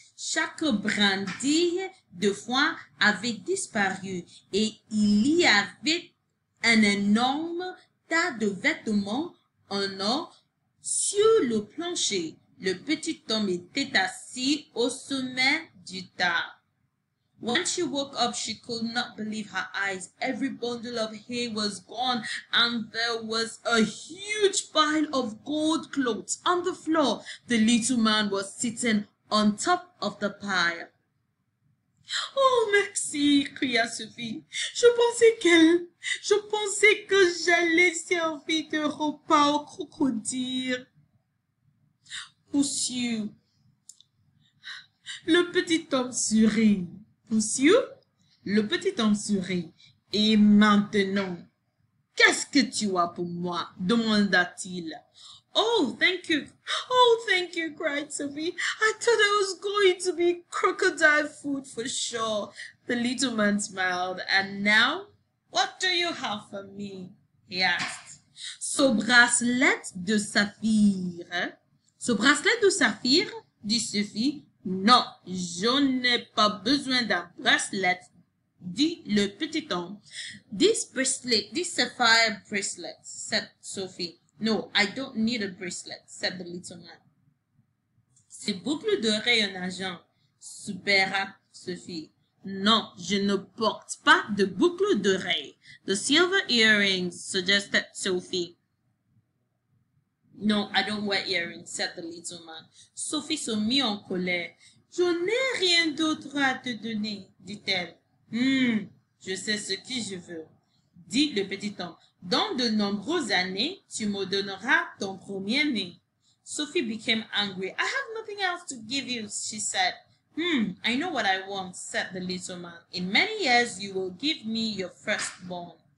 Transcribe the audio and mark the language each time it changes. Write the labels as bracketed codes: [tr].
[fr] Chaque brindille de foin avait disparu et il y avait un énorme tas de vêtements en or sur le plancher. Le petit homme était assis au sommet du tas. [en] When she woke up, she could not believe her eyes. Every bundle of hay was gone, and there was a huge pile of gold clothes on the floor. The little man was sitting on top of the pile. [fr] Oh, merci, cria Sophie. Je pensais que j'allais servir de repas au crocodile. Monsieur. Le petit homme sourit. Monsieur, le petit homme sourit. Et maintenant, qu'est-ce que tu as pour moi? Demanda-t-il. [en] Oh, thank you, cried Sophie. I thought it was going to be crocodile food for sure. The little man smiled. And now, what do you have for me? He asked. [fr] Ce bracelet de saphir, dit Sophie. Non, je n'ai pas besoin d'un bracelet, dit le petit homme. [en] This sapphire bracelet, said Sophie. No, I don't need a bracelet, said the little man. [fr] Ces boucles d'oreilles en argent, soupira Sophie. Non, je ne porte pas de boucles d'oreilles. [en] The silver earrings, suggested Sophie. No, I don't wear earrings, said the little man. [fr] Sophie se mit en colère. Je n'ai rien d'autre à te donner, dit-elle. Je sais ce que je veux, dit le petit homme. Dans de nombreuses années, tu me donneras ton premier nez. [en] Sophie became angry. I have nothing else to give you, she said. I know what I want, said the little man. In many years, you will give me your firstborn.